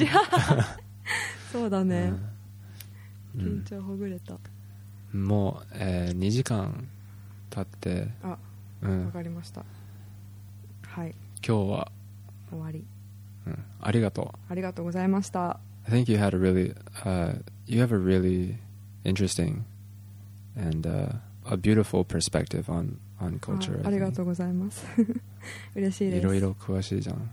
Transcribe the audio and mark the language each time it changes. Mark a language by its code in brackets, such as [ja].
[ja] 早口そうだね、緊張ほぐれた。もう、2時間経って、あ、わかりました、はい、今日は終わり、ありがとう、ありがとうございました。 [en] I think you had a really you have a really interesting and a beautiful perspective on culture. [ja] ありがとうございます嬉しいです。いろいろ詳しいじゃん、